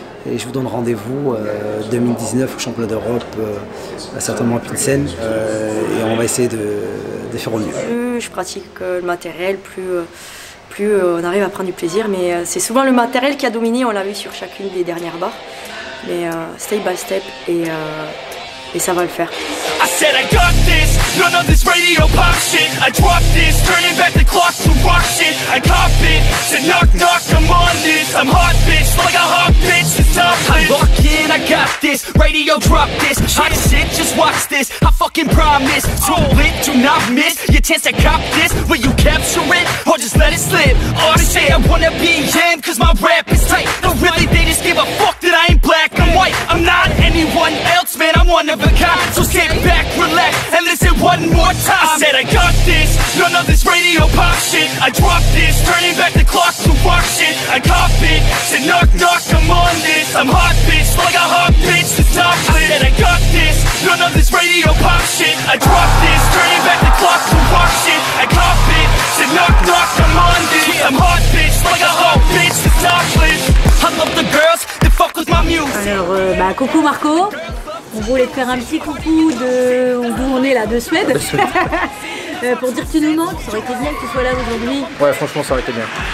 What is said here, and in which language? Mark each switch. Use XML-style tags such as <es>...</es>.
<fr>Et je vous donne rendez-vous 2019 au championnat d'Europe, certainement à Pilsen. Et on va essayer de faire au mieux. Plus je pratique le matériel, plus... plus on arrive à prendre du plaisir, mais c'est souvent le matériel qui a dominé, on l'a vu sur chacune des dernières barres. Mais</fr> <en>step by step,</en> <fr>et ça va le faire.</fr> <en>I said I got this, none of this radio pop shit. I drop this, turning back the clock to rock shit. I cop it, said knock knock, I'm on this. I'm hot bitch, like a hot bitch, it's top hit. Lock in, I got this, radio drop this. Hot shit, just watch this, I fucking promise. Tool it, do not miss, your chance to cop this. Will you capture it, or just let it slip? All say I wanna be him, cause my rap is tight. No really, they just give a fuck that I ain't black, I'm white. I'm not anyone else, man, I'm one of a kind. So sit back, relax, and listen one more time. I said I got this, none of this radio pop shit. I drop this, turning back the clock to rock shit. I cop it, said knock knock, I'm on this. I'm hot bitch, like a hot bitch, the top lit. I said I got this, none of this radio pop shit. I drop this, turning back the clock to rock shit. I cop it, said knock knock, I'm on this. I'm hot bitch, like a hot bitch, the top lit. I love the girls, they fuck with my music.</en> <fr>Alors, bah, coucou Marco. On voulait te faire un petit coucou de d'où on est là, de Suède. pour dire que tu nous manques, ça aurait été bien que tu sois là aujourd'hui. Ouais, franchement, ça aurait été bien.</fr>